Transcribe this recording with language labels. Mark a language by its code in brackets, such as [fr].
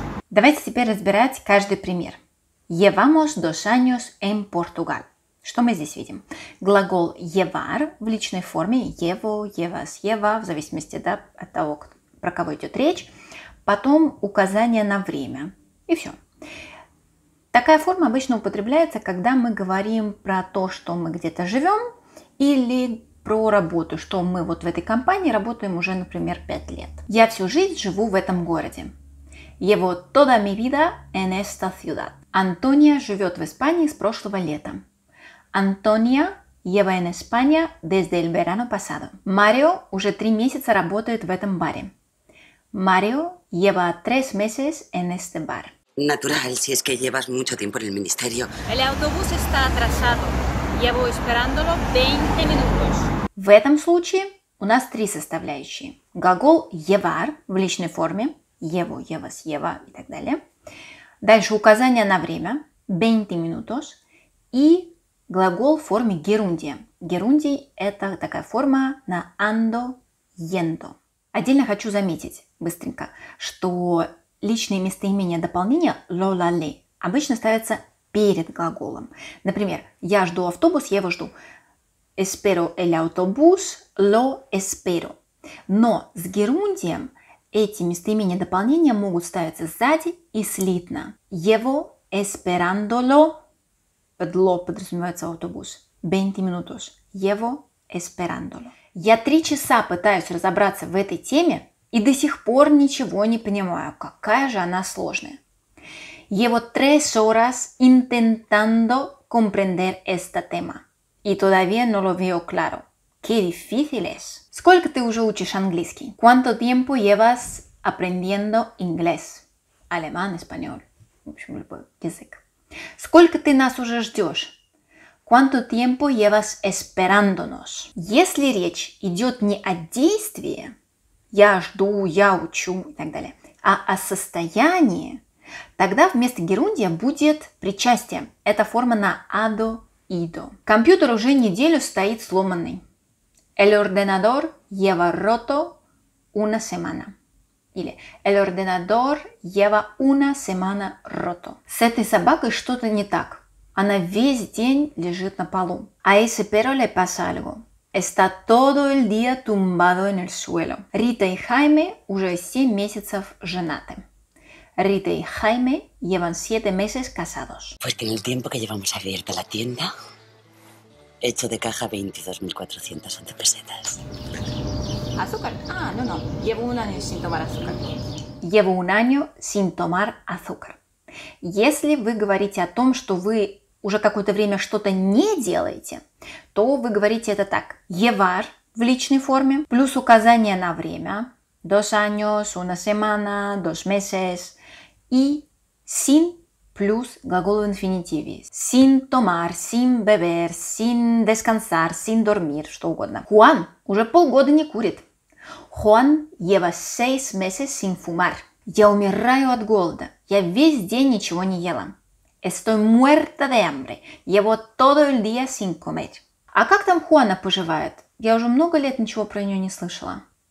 [ru] Давайте теперь разбирать каждый пример. [es] Llevamos 2 años en Portugal. [ru] Что мы здесь видим? Глагол llevar в личной форме [es] llevo, llevas, lleva, [ru] в зависимости от того, про кого идет речь. Потом указание на время. И все. Такая форма обычно употребляется, когда мы говорим про то, что мы где-то живем, или про работу, что мы вот в этой компании работаем уже, например, 5 лет. Я всю жизнь живу в этом городе. [es] Llevo toda mi vida en esta ciudad. [ru] Антония живет в Испании с прошлого лета. [es] Antonia lleva en España desde el verano pasado. [ru] Mario уже 3 месяца работает в этом баре. [es] Mario lleva 3 meses en este bar. Natural, si es que llevas mucho tiempo en el ministerio. El autobús está atrasado. Llevo esperándolo 20 minutos. [ru] В этом случае у нас 3 составляющие. Глагол llevar в личной форме. [es] Llevo, llevas, lleva [ru] и так далее. Дальше указание на время. [es] 20 minutos. [ru] И глагол в форме gerundia. Gerundi – это такая форма на [es] ando, yendo. [ru] Отдельно хочу заметить быстренько, что личные местоимения дополнения lo-la-le обычно ставятся перед глаголом. Например, я жду автобус, я его жду. [es] Espero el autobús, lo espero. [ru] Но с герундием эти местоимения дополнения могут ставиться сзади и слитно. [es] Llevo esperando lo, [ru] под lo подразумевается автобус, [es] 20 minutos. Llevo esperando lo. [ru] Я 3 часа пытаюсь разобраться в этой теме и до сих пор ничего не понимаю, какая же она сложная. [es] Llevo 3 horas intentando comprender esta tema. Y todavía no lo veo claro. ¡Qué difícil es! [ru] Сколько ты уже учишь английский? [es] ¿Cuánto tiempo llevas aprendiendo inglés? Alemán, español. [ru] В общем, любой язык. Сколько ты нас уже ждешь? [es] ¿Cuánto tiempo llevas esperándonos? [ru] Если речь идет не о действии, я жду, я учу и так далее, а о состоянии, тогда вместо герундия будет причастие. Это форма на «ado», «ido». Компьютер уже неделю стоит сломанный. [es] «El ordenador lleva roto una semana». Или «El ordenador lleva una semana roto». [ru] С этой собакой что-то не так. Она весь день лежит на полу. [es] «A ese perro le pasa algo». «Está todo el día tumbado en el suelo». [ru] Рита и Хайме уже 7 месяцев женаты. [es] Rita y Jaime llevan 7 meses casados. Pues que en el tiempo que llevamos abierta la tienda, he hecho de caja 22.411 pesetas. ¿Azúcar? Ah, no, no. Llevo 1 año sin tomar azúcar. Llevo 1 año sin tomar azúcar. [ru] Если вы говорите о том, что вы уже какое-то время что-то не делаете, то вы говорите это так. Llevar в личной форме плюс указание на время. [es] 2 años, 1 semana, 2 meses. [ru] И sin плюс глагол в инфинитиве. [es] Sin tomar, sin beber, sin descansar, sin dormir, [ru] что угодно. Juan уже 5 года не курит. [es] Juan lleva 6 meses sin fumar. [ru] Я умираю от голода. Я весь день ничего не ела. [es] Estoy muerta de hambre. Llevo todo el día sin comer. [ru] А как там Juana поживает? Я уже много лет ничего про нее не слышала.